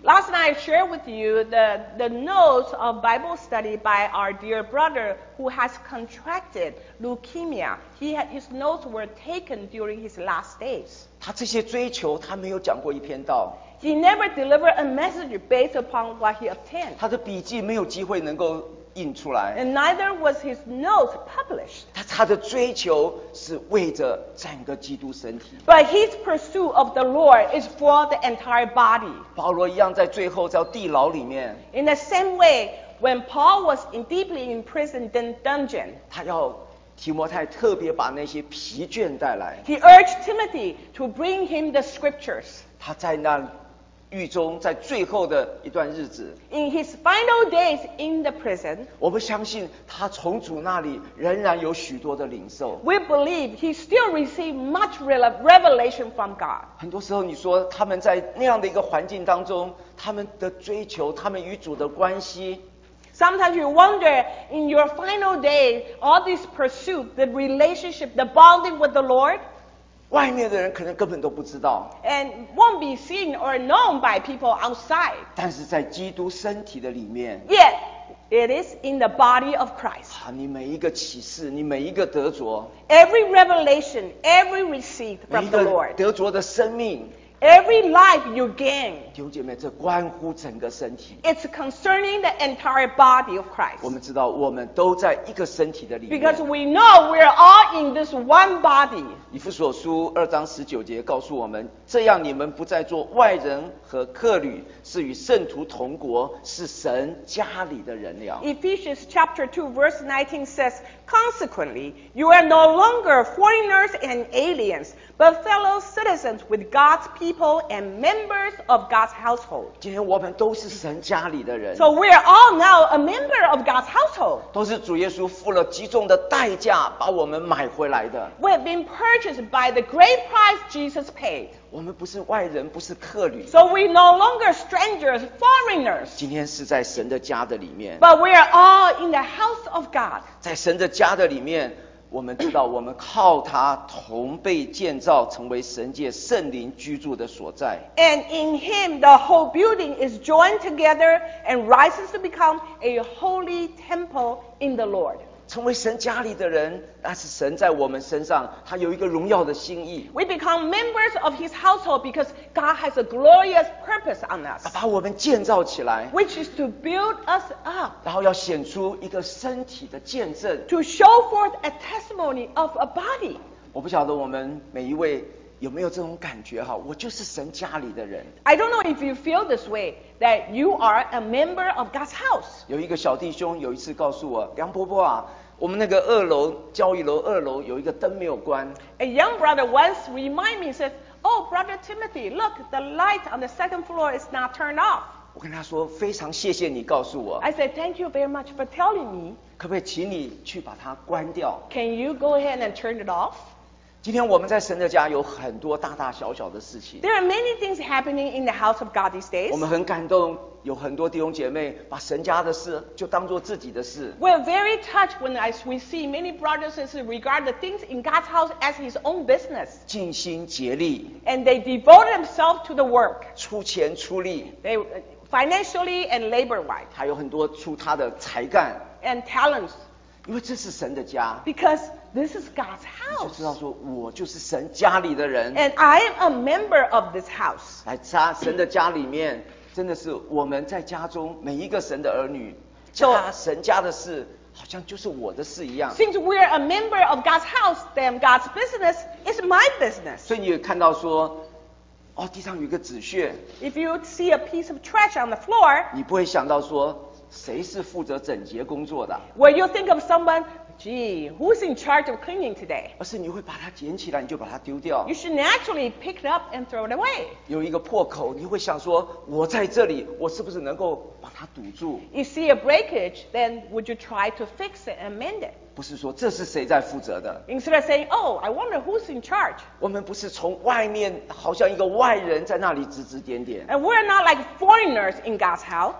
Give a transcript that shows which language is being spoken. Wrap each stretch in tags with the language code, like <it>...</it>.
<en>Last night I shared with you the notes of Bible study by our dear brother who has contracted leukemia. He had, his notes were taken during his last days.</en> <zh>他这些追求，他没有讲过一篇道。</zh> <en>He never delivered a message based upon what he obtained.</en> <zh>他的笔记没有机会能够。印出来。</zh> <en>And neither was his note published.</en> <zh>他的追求是为着整个基督身体。</zh> <en>But his pursuit of the Lord is for the entire body.</en> <zh>保罗一样在最后在地牢里面。</zh> <en>In the same way, when Paul was deeply imprisoned in dungeon,</en> <zh>他要提摩太特别把那些疲倦带来。</zh> <en>He urged Timothy to bring him the scriptures.</en> <zh>他在那狱中在最后的一段日子</zh> <en>In his final days in the prison</en> <zh>我们相信他从主那里仍然有许多的领受</zh> <en>We believe he still received much revelation from God</en> <zh>很多时候你说他们在那样的一个环境当中他们的追求他们与主的关系</zh> <en>Sometimes you wonder in your final days all this pursuit the relationship the bonding with the Lord</en> <zh>外面的人可能根本都不知道</zh> <en>and won't be seen or known by people outside</en> <zh>但是在基督身体的里面</zh> <en>yet it is in the body of Christ</en> <zh>啊，你每一个启示你每一个得着</zh> <en>every revelation every received from the Lord</en> <zh>每一个得着的生命</zh> <en>every life you gain</en> <zh>弟兄姐妹这关乎整个身体</zh> <en>it's concerning the entire body of Christ</en> <zh>我们知道我们都在一个身体的里面</zh> <en>because we know we're all in this one body</en> <zh>以弗所书二章十九节告诉我们这样你们不再做外人和客旅是与圣徒同国是神家里的人了</zh> <en>Ephesians chapter 2 verse 19 says Consequently you are no longer foreigners and aliens but fellow citizens with God's people and members of God's household</en> <zh>今天我们都是神家里的人</zh> <en>So we are all now a member of God's household</en> <zh>都是主耶稣付了极重的代价把我们买回来的</zh> <en>We have been purchased by the great price Jesus paid.</en> <zh>我们不是外人，不是客旅。</zh> <en>So we no longer strangers, foreigners.</en> <zh>今天是在神的家的里面。</zh> <en>But we are all in the house of God.</en> <zh>在神的家的里面，我们知道我们靠他同被建造成为神界圣灵居住的所在。</zh> <en>And in him the whole building is joined together and rises to become a holy temple in the Lord.</en> <zh>成为神家里的人，那是神在我们身上他有一个荣耀的心意。</zh> <en>We become members of his household because God has a glorious purpose on us.</en> <zh>把我们建造起来，</zh> <en>which is to build us up.</en> <zh>然后要显出一个身体的见证，</zh> <en>to show forth a testimony of a body.</en> <zh>我不晓得我们每一位有没有这种感觉哈，我就是神家里的人。</zh> <en>I don't know if you feel this way, that you are a member of God's house.</en> <zh>有一个小弟兄有一次告诉我，梁伯伯啊，我们那个二楼交易楼二楼有一个灯没有关。</zh> <en>A young brother once reminded me, said, Oh, Brother Timothy, look, the light on the second floor is not turned off.</en> <zh>我跟他说，非常谢谢你告诉我。</zh> <en>I said, Thank you very much for telling me.</en> <zh>可不可以请你去把它关掉？</zh> <en>Can you go ahead and turn it off?</en> <zh>今天我们在神的家有很多大大小小的事情。</zh> <en>There are many things happening in the house of God these days.</en> <zh>我们很感动，有很多弟兄姐妹把神家的事就当作自己的事。</zh> <en>We're very touched when we see many brothers and sisters regard the things in God's house as his own business.</en> <zh>尽心竭力。</zh> <en>And they devote themselves to the work.</en> <zh>出钱出力。</zh> <en>They financially and labor-wise.</en> <zh>还有很多出他的才干。</zh> <en>And talents.</en> <zh>因为这是神的家。</zh> <en>Because this is God's house.</en> <zh>就知道说我就是神家里的人。</zh> <en>And I am a member of this house.</en> <zh>来家神的家里面。真的是我们在家中每一个神的儿女，家神家的事好像就是我的事一样。</zh> <en>Since we are a member of God's house, then God's business is my business.</en> <zh>所以你有看到说，哦，地上有一个纸屑。</zh> <en>If you see a piece of trash on the floor,</en> <zh>你不会想到说谁是负责整洁工作的。</zh> <en>Will you think of someone, gee, who's in charge of cleaning today?</en> <zh>而是你会把它捡起来，你就把它丢掉。</zh> <en>You should naturally pick it up and throw it away.</en> <zh>有一个破口，你会想说，我在这里，我是不是能够把它堵住？</zh> <en>You see a breakage, then would you try to fix it and mend it?</en> <zh>不是说这是谁在负责的。</zh> <en>Instead of saying, oh, I wonder who's in charge.</en> <zh>我们不是从外面，好像一个外人在那里指指点点。</zh> <en>And we're not like foreigners in God's house.</en>